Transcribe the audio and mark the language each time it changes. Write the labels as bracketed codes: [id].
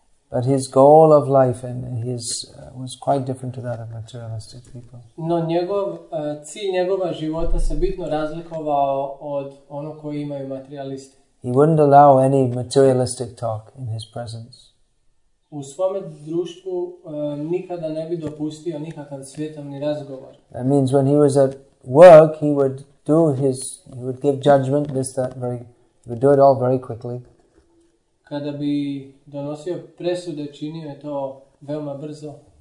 [en] But his goal of life and his was quite different to that of materialistic people. [hr] No njegov cilj njegova života se bitno razlikovao od onog koji imaju materialisti. [en] He wouldn't allow any materialistic talk in his presence. [hr] U svom društvu nikada ne bi dopustio nikakav svjetovni razgovor. [en] That means when he was at work, he would do his, he would give judgment, this, that, very, he would do it all very quickly. [hr] Kada bi donosio presude, činio je to veoma brzo.